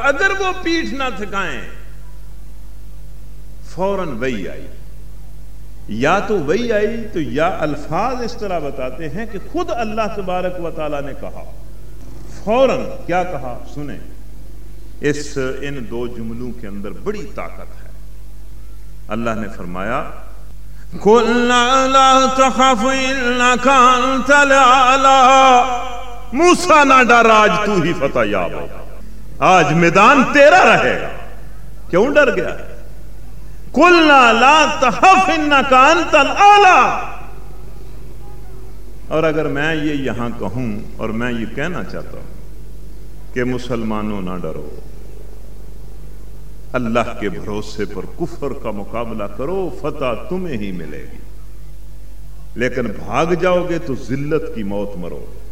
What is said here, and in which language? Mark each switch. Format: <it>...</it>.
<ur>اگر وہ پیٹ نہ تھکائیں, فوراً وہی آئی. یا تو وہی آئی تو یا الفاظ اس طرح بتاتے ہیں کہ خود اللہ تبارک و تعالی نے کہا. فوراً کیا کہا سنیں, اس ان دو جملوں کے اندر بڑی طاقت ہے. اللہ نے فرمایا</ur> <ar>قلنا لا تخف انك انت الاعلى.</ar> <ur>موسیٰ نہ ڈر, آج تو ہی فتح یاب ہوگا, آج میدان تیرا رہے گا. کیوں ڈر گیا؟</ur> <ar>قلنا لا تخف انك انت الاعلى.</ar> <ur>اور اگر میں یہ یہاں کہوں اور میں یہ کہنا چاہتا ہوں کہ مسلمانوں نہ ڈرو, اللہ کے بھروسے پر کفر کا مقابلہ کرو, فتح تمہیں ہی ملے گی, لیکن بھاگ جاؤ گے تو ذلت کی موت مرو.</ur>